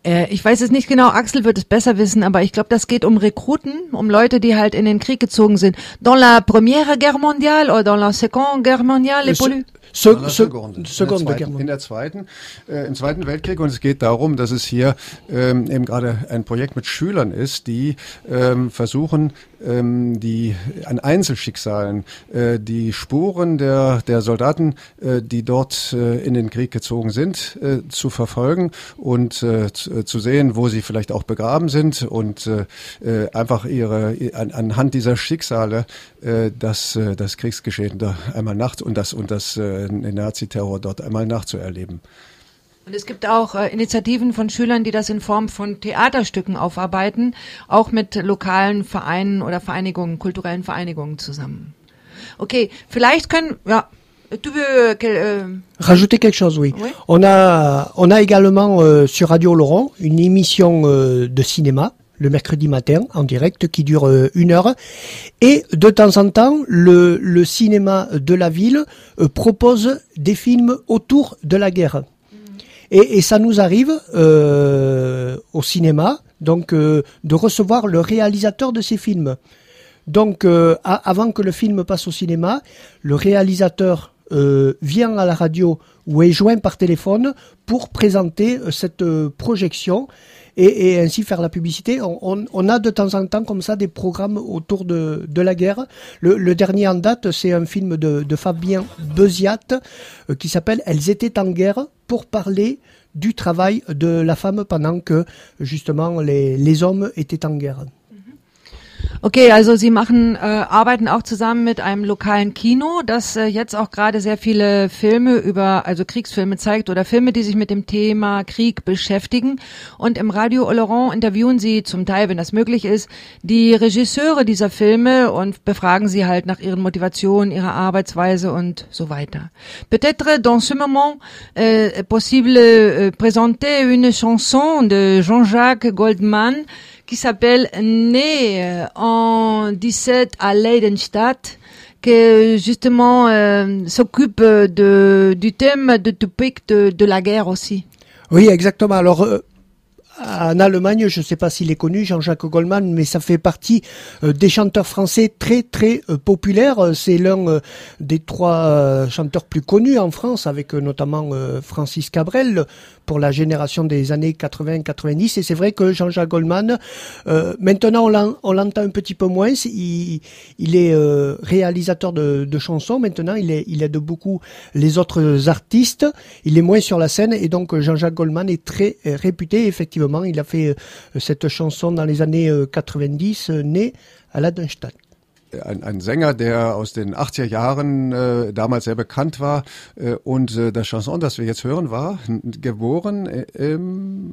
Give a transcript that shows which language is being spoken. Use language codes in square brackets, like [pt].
[de] Ich weiß es nicht genau, Axel wird es besser wissen, aber ich glaube, das geht um Rekruten, um Leute, die halt in den Krieg gezogen sind. [fr] Dans la Première Guerre mondiale [de] oder [fr] dans la Seconde Guerre mondiale, les poilus? [de] In der Zweiten, im Zweiten Weltkrieg. Und es geht darum, dass es hier eben gerade ein Projekt mit Schülern ist, die versuchen, die an Einzelschicksalen die Spuren der Soldaten, die dort in den Krieg gezogen sind, zu verfolgen und zu sehen, wo sie vielleicht auch begraben sind und einfach ihre anhand dieser Schicksale das Kriegsgeschehen da einmal nachts und den Nazi-Terror dort einmal nachzuerleben. Und es gibt auch Initiativen von Schülern, die das in Form von Theaterstücken aufarbeiten, auch mit lokalen Vereinen oder Vereinigungen, kulturellen Vereinigungen zusammen. Okay, vielleicht können, ja, [fr] tu veux rajouter quelque chose, oui. On a également sur Radio Oloron une émission de cinéma le mercredi matin en direct qui dure une heure, et de temps en temps le cinéma de la ville propose des films autour de la guerre. Et ça nous arrive au cinéma, donc de recevoir le réalisateur de ces films. Donc, avant que le film passe au cinéma, le réalisateur vient à la radio ou est joint par téléphone pour présenter cette projection et ainsi faire la publicité. On a de temps en temps comme ça des programmes autour de la guerre. Le dernier en date, c'est un film de Fabien Beziat qui s'appelle « Elles étaient en guerre » pour parler du travail de la femme pendant que justement les hommes étaient en guerre. [de] Okay, also Sie machen arbeiten auch zusammen mit einem lokalen Kino, das jetzt auch gerade sehr viele Filme über, also Kriegsfilme zeigt oder Filme, die sich mit dem Thema Krieg beschäftigen. Und im Radio Oloron interviewen Sie zum Teil, wenn das möglich ist, die Regisseure dieser Filme und befragen sie halt nach ihren Motivationen, ihrer Arbeitsweise und so weiter. [fr] Peut-être dans ce moment possible présenter une chanson de Jean-Jacques Goldman qui s'appelle « Né en 17 à Leidenstadt », qui justement s'occupe du thème de topic de la guerre aussi. Oui, exactement. Alors, en Allemagne, je ne sais pas s'il est connu, Jean-Jacques Goldman, mais ça fait partie des chanteurs français très, très populaires. C'est l'un des trois chanteurs plus connus en France, avec notamment Francis Cabrel, pour la génération des années 80-90. Et c'est vrai que Jean-Jacques Goldman, maintenant on l'entend un petit peu moins, il est réalisateur de chansons, maintenant il aide beaucoup les autres artistes, il est moins sur la scène, et donc Jean-Jacques Goldman est très réputé, effectivement, il a fait cette chanson dans les années 90, « Né à Leidenstadt ». [de] ein Sänger, der aus den 80er Jahren damals sehr bekannt war. Und das Chanson, das wir jetzt hören, war geboren im...